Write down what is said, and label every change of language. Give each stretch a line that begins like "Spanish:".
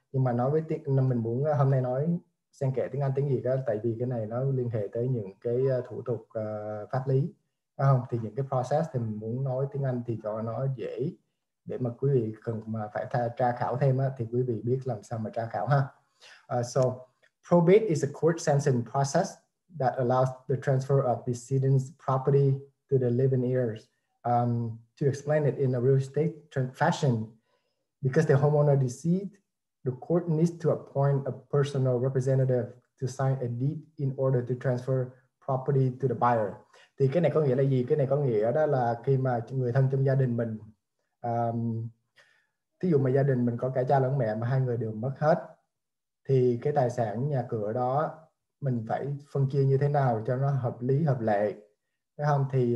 Vietnamese: Nhưng mà nói với tiếng mình muốn hôm nay nói xen kẽ tiếng Anh tiếng Việt đó, tại vì cái này nó liên hệ tới những cái thủ tục pháp lý, không? Thì những cái process thì mình muốn nói tiếng Anh thì cho nó dễ, để mà quý vị cần mà phải tra khảo thêm á, thì quý vị biết làm sao mà tra khảo ha.
English: Probate is a court sentencing process that allows the transfer of decedent's property to the living heirs. To explain it in a real estate fashion, because the homeowner deceased, the court needs to appoint a personal representative to sign a deed in order to transfer property to the buyer.
Vietnamese: Thì cái này có nghĩa là gì? Cái này có nghĩa đó là khi mà người thân trong gia đình mình, thí dụ mà gia đình mình có cả cha lẫn mẹ mà hai người đều mất hết, thì cái tài sản nhà cửa đó mình phải phân chia như thế nào cho nó hợp lý hợp lệ, thấy không?